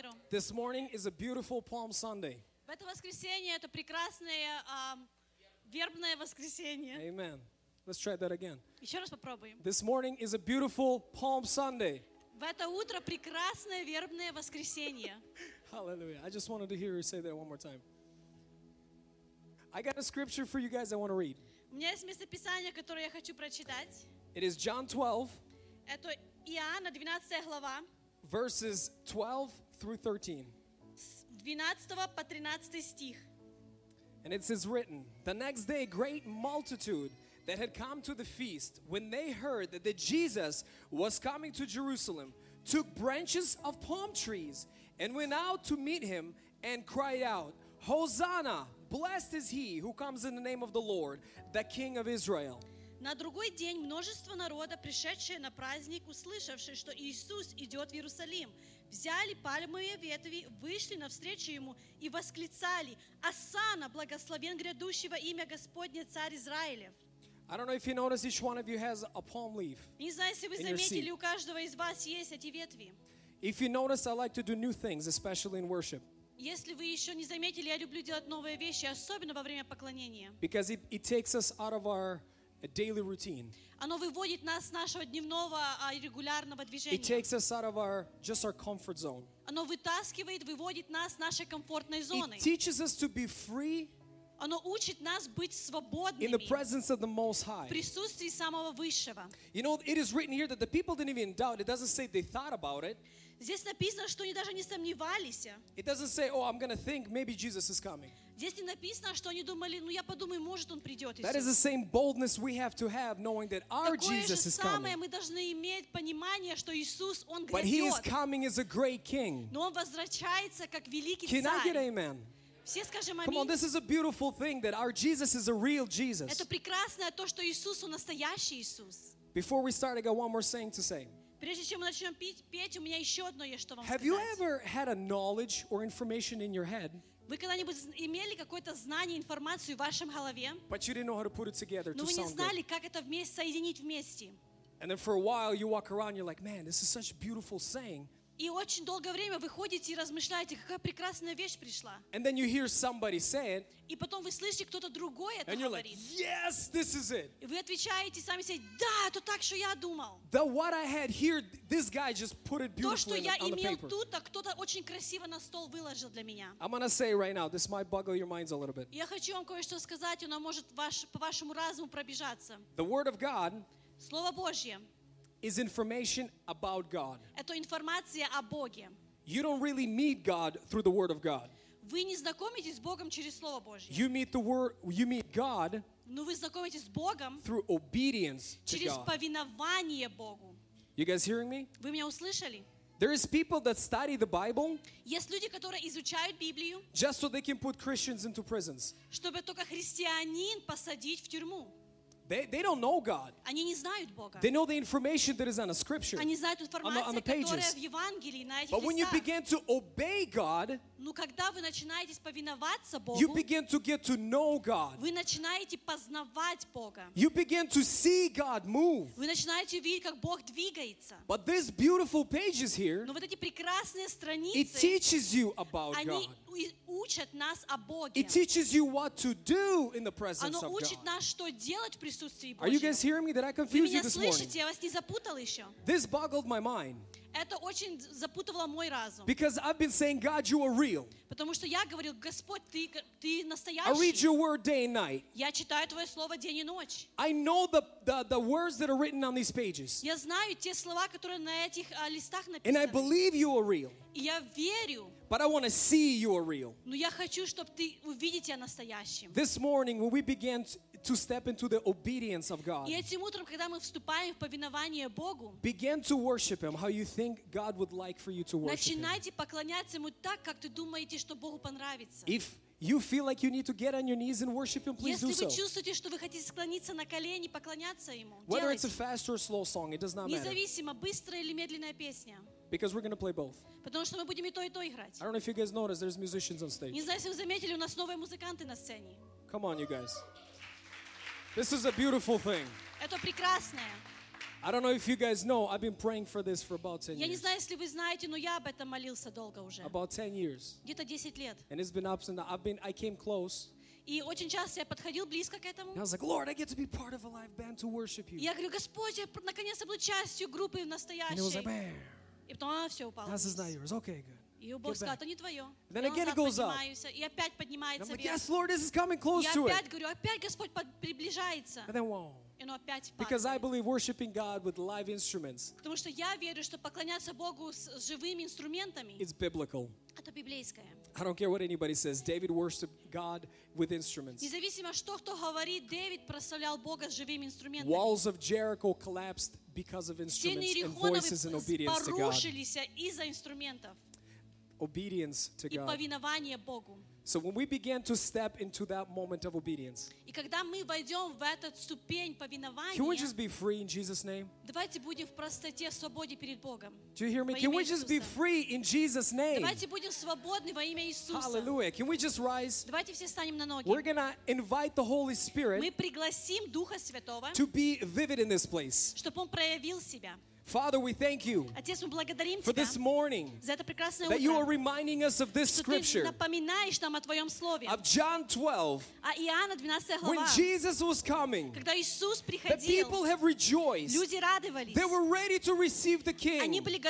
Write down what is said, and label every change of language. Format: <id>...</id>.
<en>This morning is a beautiful Palm Sunday.</en> <ru>В это воскресенье это прекрасное вербное воскресенье.</ru> <en>Amen. Let's try that again.</en> <ru>Еще раз попробуем.</ru> <en>This morning is a beautiful Palm Sunday.</en> <ru>В это утро прекрасное вербное воскресенье.</ru> <en>Hallelujah. I just wanted to hear you say that one more time. I got a scripture for you guys I want to read.</en> <ru>У меня есть местописание, которое я хочу прочитать.</ru> <en>It is John 12.</en> <ru>Это Иоанна 12 глава.</ru> <en>Verses 12 through 13.</en> <ru>12 по 13 стих.</ru> <en>And it says written, the next day great multitude that had come to the feast, when they heard that the Jesus was coming to Jerusalem, took branches of palm trees and went out to meet him and cried out, Hosanna! Blessed is he who comes in the name of the Lord, the King of Israel.</en> <ru>На другой день множество народа, пришедшее на праздник, услышавши, что Иисус идет в Иерусалим, взяли пальмовые ветви, вышли навстречу ему и восклицали, «Осанна, благословен грядущего имя Господня, Царь Израилев!»</ru> <en>I don't know if you notice each one of you has a palm leaf in your seat.</en> <ru>Не знаю, если вы заметили, у каждого из вас есть эти ветви.</ru> <en>If you notice, I like to do new things, especially in worship.</en> <ru>Если вы еще не заметили, я люблю делать новые вещи, особенно во время поклонения.</ru> <en>Because it takes us out of our daily routine.</en> <ru>Оно выводит нас из нашего дневного регулярного движения.</ru> <en>It takes us out of our just our comfort zone.</en> <ru>Оно вытаскивает, выводит нас из нашей комфортной зоны.</ru> <en>It teaches us to be free.</en> <ru>Оно учит нас быть свободными.</ru> <en>In the presence of the Most High.</en> <ru>В присутствии самого высшего.</ru> <en>You know, it is written here that the people didn't even doubt. It doesn't say they thought about it.</en> <ru>Здесь написано, что они даже не сомневались.</ru> <en>It doesn't say, oh, I'm going to think maybe Jesus is coming.</en> <ru>Здесь не написано, что они думали, ну я подумаю, может он придет.</ru> <en>That is the same boldness we have to have, knowing that our Jesus is coming.</en> <ru>Такое же самое мы должны иметь понимание, что Иисус он грядет.</ru> <en>But he is coming as a great King.</en> <ru>Но он возвращается как великий царь.</ru> <en>Can I get amen?</en> <ru>Все скажем аминь.</ru> <en>Come on, this is a beautiful thing that our Jesus is a real Jesus.</en> <ru>Это прекрасное то, что Иисус он настоящий Иисус.</ru> <en>Before we start, I got one more saying to say.</en> <ru>Прежде чем мы начнем петь, у меня еще одно есть, что вам сказать.</ru> <en>Have you ever had a knowledge or information in your head?</en> <ru>Вы когда-нибудь имели какое-то знание, информацию в вашем голове?</ru> <en>But you didn't know how to put it together.</en> <ru>Но вы не знали, как это вместе соединить вместе.</ru> <en>And then for a while you walk around, you're like, man, this is such a beautiful saying.</en> <ru>И очень долгое время вы ходите и размышляете, какая прекрасная вещь пришла.</ru> <en>And then you hear somebody say it.</en> <ru>И потом вы слышите, кто-то другой это</ru> <en>and you're</en> <ru>говорит.</ru> <en>Like, yes, this is it.</en> <ru>И вы отвечаете сами себе, да, это так, что я думал.</ru> <en>The what I had here, this guy just put it beautifully</en> <ru>то, что</ru> <en>on the paper.</en> <ru>То, что я имел тут, так кто-то очень красиво на стол выложил для меня.</ru> <en>I'm gonna say right now, this might boggle your minds a little bit.</en> <ru>Я хочу вам кое-что сказать, оно может по вашему разуму пробежаться.</ru> <en>The word of God.</en> <ru>Слово Божье.</ru> <en>Is information about God.</en> <ru>Это информация о Боге.</ru> <en>You don't really meet God through the Word of God.</en> <ru>Вы не знакомитесь с Богом через Слово Божье.</ru> <en>You meet the Word. You meet God.</en> <ru>Но вы знакомитесь с Богом.</ru> <en>Through obedience to God.</en> <ru>Через повиновение Богу.</ru> <en>You guys hearing me?</en> <ru>Вы меня услышали?</ru> <en>There is people that study the Bible.</en> <ru>Есть люди, которые изучают Библию.</ru> <en>Just so they can put Christians into prisons.</en> <ru>Чтобы только христианин посадить в тюрьму.</ru> <en>They don't know God.</en> <ru>Они не знают Бога.</ru> <en>They know the information that is on the scripture.</en> <ru>Они знают информацию,</ru> <en>on the pages.</en> <ru>Которая в Евангелии, на этих листах.</ru> <en>But when you begin to obey God,</en> <ru>ну когда вы начинаете повиноваться Богу,</ru> <en>you begin to get to know God.</en> <ru>Вы начинаете познавать Бога.</ru> <en>You begin to see God move.</en> <ru>Вы начинаете видеть, как Бог двигается.</ru> <en>But these beautiful pages here,</en> <ru>но вот эти прекрасные страницы,</ru> <en>it teaches you about</en> <ru>они</ru> <en>God.</en> <ru>Учат нас о Боге.</ru> <en>It teaches you what to do in the presence</en> <ru>оно</ru> <en>of God.</en> <ru>Оно учит нас, что делать в присутствии Божьем.</ru> <en>Are you guys hearing me? Did I confuse</en> <ru>вы меня</ru> <en>you this</en> <ru>слышите?</ru> <en>Morning?</en> <ru>Я вас не запутал еще.</ru> <en>This boggled my mind.</en> <ru>Это очень запутывало мой разум.</ru> <en>Because I've been saying, God, you are real.</en> <ru>Потому что я говорил, Господь, ты настоящий.</ru> <en>I read your word day and night.</en> <ru>Я читаю твое слово день и ночь.</ru> <en>I know the words that are written on these pages.</en> <ru>Я знаю те слова, которые на этих листах написаны.</ru> <en>And I believe you are real.</en> <ru>И я верю.</ru> <en>But I want to see you are real.</en> <ru>Но я хочу, чтобы ты увидеть тебя настоящим.</ru> <en>This morning, when we began to step into the obedience of God.</en> <ru>И этим утром, когда мы вступаем в повиновение Богу,</ru> <en>begin to worship Him how you think God would like for you to worship.</en> <ru>Начинайте поклоняться Ему так, как ты думаете, что Богу понравится.</ru> <en>If you feel like you need to get on your knees and worship Him, please do so.</en> <ru>Если вы чувствуете, что вы хотите склониться на колени, поклоняться Ему, делайте.</ru> <en>Whether it's a fast or slow song, it does not matter.</en> <ru>Независимо, быстрая или медленная песня.</ru> <en>Because we're going to play both.</en> <ru>Потому что мы будем и то играть.</ru> <en>I don't know if you guys noticed, there's musicians on stage.</en> <ru>Не знаю, если вы заметили, у нас новые музыканты на сцене.</ru> <en>Come on, you guys. This is a beautiful thing.</en> <ru>Это прекрасное.</ru> <en>I don't know if you guys know, I've been praying for this for about 10 years.</en> <ru>Я не знаю, если вы знаете, но я об этом молился долго уже.</ru> <en>About 10 years.</en> <ru>Где-то 10 лет.</ru> <en>And it's been ups and downs. I came close.</en> <ru>И очень часто я подходил близко к этому.</ru> <en>And I was like, Lord, I get to be part of a live band to worship you.</en> <ru>Я говорю, Господь, я наконец-то буду частью группы настоящей.</ru> <en>And it was like,</en> <ru>И потом все упало.</ru> <en>This is not yours. Okay, good.</en> <ru>И у Бога сказал, это не твое.</ru> <en>Then again it goes up.</en> <ru>И опять поднимается вверх.</ru> <en>Yes, Lord, this is coming close to it.</en> <ru>Я опять говорю, опять Господь приближается.</ru> <en>And then whoa. Because I believe worshiping God with live instruments.</en> <ru>Потому что я верю, что поклоняться Богу с живыми инструментами.</ru> <en>It's biblical.</en> <ru>Это библейское.</ru> <en>I don't care what anybody says. David worshiped God with instruments.</en> <ru>Независимо что кто говорит, Давид прославлял Бога с живыми инструментами.</ru> <en>Walls of Jericho collapsed because of instruments and voices and obedience to God.</en> <ru>Порушились из-за инструментов.</ru> <en>Obedience to God.</en> <ru>И повиновение Богу.</ru> <en>So when we begin to step into that moment of obedience,</en> <ru>и когда мы войдем в этот ступень повиновения,</ru> <en>can we just be free in Jesus' name?</en> <ru>Давайте будем в простоте, свободе перед Богом.</ru> <en>Do you hear me? Can we just be free in Jesus' name?</en> <ru>Давайте будем свободны во имя Иисуса.</ru> <en>Hallelujah! Can we just rise?</en> <ru>Давайте все встанем на ноги.</ru> <en>We're gonna invite the Holy Spirit.</en> <ru>Мы пригласим Духа Святого.</ru> <en>To be vivid in this place.</en> <ru>Чтобы он проявил себя.</ru> <en>Father, we thank you for this morning that you are reminding us of this scripture of John 12 when Jesus was coming. The people have rejoiced. They were ready to receive the King.</en>